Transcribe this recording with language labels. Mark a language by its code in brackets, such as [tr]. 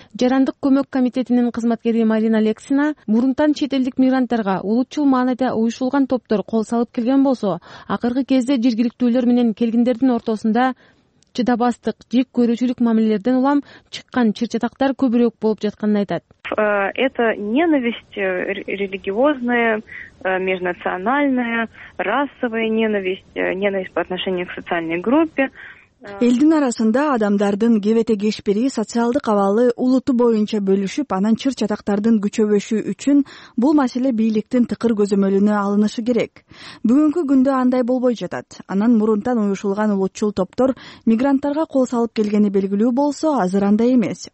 [ky] Жарандык көмөк комитетинин кызматкери Марина Лексина мурунтан чет элдик мигранттарга улутчул маанайда уюшулган топтор кол салып келген болсо, акыркы кезде жергиликтүүлөр менен келгиндердин ортосунда чыдабастык, жек көрүүчүлүк мамилелерден улам чыккан чыр-чатактар көбүрөөк болуп жатканын айтат. [ru] Это ненависть религиозная, межнациональная, расовая ненависть, ненависть по отношению к социальной группе. [ky] Элдин арасында адамдардын кебете кешпири, социалдык абалы, улуту боюнча бөлүшүп, анан чыр-чатактардын күчөбөшү үчүн бул маселе бийликтин тыкыр көзөмөлүнө алынышы керек. Бүгүнкү күндө андай болбой жатат. Анан мурунтан уюшулган улутчул топтор мигранттарга кол салып келгени белгилүү болсо, азыр андай эмес.